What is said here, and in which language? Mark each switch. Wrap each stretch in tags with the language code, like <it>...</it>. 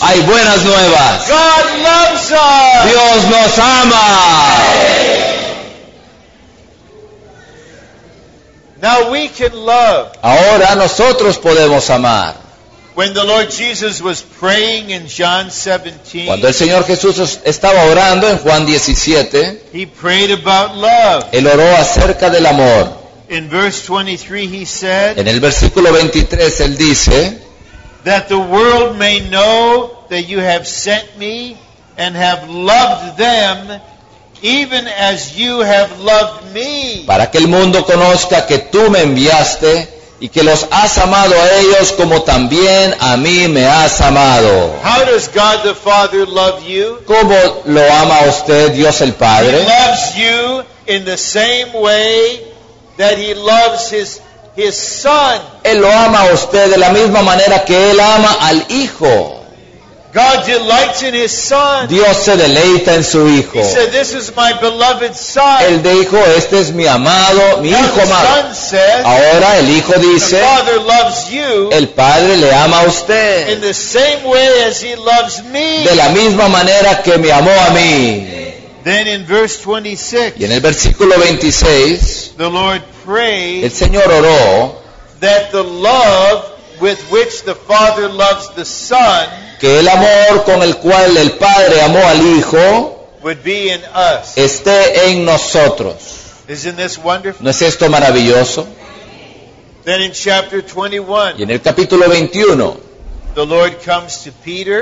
<es>Hay buenas nuevas.</es> <en>God loves us.</en> <es>Dios nos ama.</es> <en>Now we can love.</en> <es>Ahora nosotros podemos amar.</es> <en>When the Lord Jesus was praying in John 17,</en> <es>cuando el Señor Jesús estaba orando en Juan 17,</es> <en>he prayed about love.</en> <es>Él oró acerca del amor.</es> <en>In verse 23 he said,</en> <es>en el versículo 23 él dice,</es> <en>that the world may know that you have sent me and have loved them even as you have loved me.</en> <es>Para que el mundo conozca que tú me enviaste y que los has amado a ellos como también a mí me has amado.</es> <en>How does God the Father love you?</en> <es>¿Cómo lo ama usted Dios el Padre?</es> <en>He loves you in the same way that he loves his son.</en> <es>Él lo ama a usted de la misma manera que él ama al hijo.</es> <en>God delights in his son.</en> <es>Dios se deleita en su hijo.</es> <en>He said, this is my beloved son.</en> <es>Él dijo, este es mi amado, mi</es> <en>now</en> <es>hijo</es> <en>the</en> <es>amado.</es> <en>Son says,</en> <es>ahora el hijo dice,</es> <en>the father loves you.</en> <es>El padre le ama a usted.</es> <en>In the same way as he loves me.</en> <es>De la misma manera que me amó a mí.</es> <en>Then in verse 26.</en> <es>Y en el versículo 26.</es> <en>The Lord prayed.</en> <es>El Señor oró.</es> <en>That the love with which the father loves the son.</en> <es>Que el amor con el cual el Padre amó al Hijo</es> <en>would be in us.</en> <es>Esté en nosotros.</es> <en>Isn't this wonderful?</en> <es>¿No es esto maravilloso?</es> <en>Then in chapter 21,</en> <es>y en el capítulo 21,</es> <en>the Lord comes to Peter.</en>